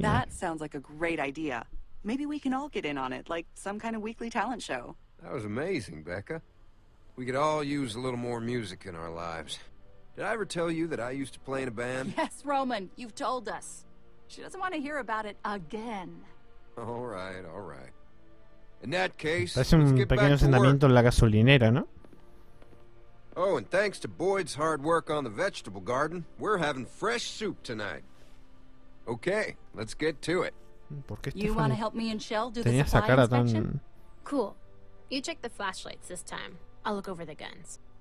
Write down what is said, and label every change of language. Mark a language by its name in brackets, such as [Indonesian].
[English] That sounds like a great idea. Maybe we can all get in on it, like some kind of weekly talent show. That was amazing, Becca. We could all use a little more music in our lives. Did I ever tell you that I used to play in a band? Yes, Roman, you've told us. She doesn't want to hear about it again. All right, all right. In that case, let's get back to work. [Spanish] Parece un pequeño asentamiento en la gasolinera, ¿no? [English] Oh, and thanks to Boyd's hard work on the vegetable garden, we're having fresh soup tonight. Okay, let's get to it. [Spanish] ¿Por qué [English] you want to help me and Shel do the supply inspection? Tan... Cool. You check the flashlights this time. I'll look over the guns.